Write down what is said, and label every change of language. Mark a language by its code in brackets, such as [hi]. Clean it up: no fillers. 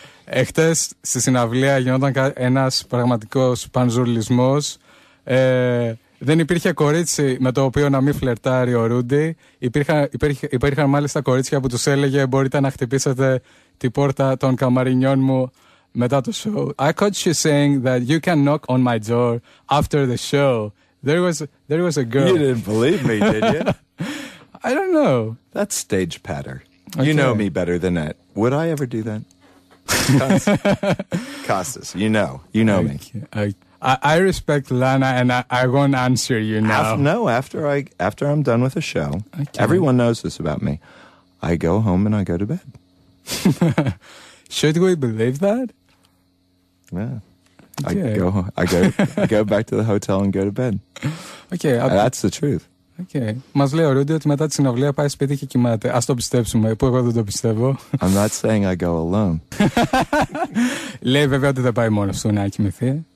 [el] Εχθές στη συναυλία γινόταν ένας πραγματικός πανζουρλισμός. Δεν υπήρχε κορίτσι με το οποίο να μην φλερτάρει ο Ρούντι. Υπήρχαν μάλιστα κορίτσια που τους έλεγε μπορείτε να χτυπήσετε την πόρτα των καμαρινιών μου μετά το show. [en] I caught you saying that you can knock on my door after the show. There was a girl. You didn't believe me, did you? I don't know. That's stage patter. Okay. You know me better than that. Would I ever do that? Costas, you know. You know me. I respect Lana and I won't answer you now. After I'm done with the show, okay. Everyone knows this about me. I go home and I go to bed. Should we believe that? Yeah. Okay. I go back to the hotel and go to bed. Okay. That's the truth. Okay. [el] Μας λέει ο Ρούντι ότι μετά τη συναυλία πάει σπίτι και κοιμάται. Ας το πιστέψουμε, που εγώ δεν το πιστεύω. [en] I'm not saying I go alone. [el] Λέει βέβαια ότι δεν πάει μόνος του να κοιμηθεί.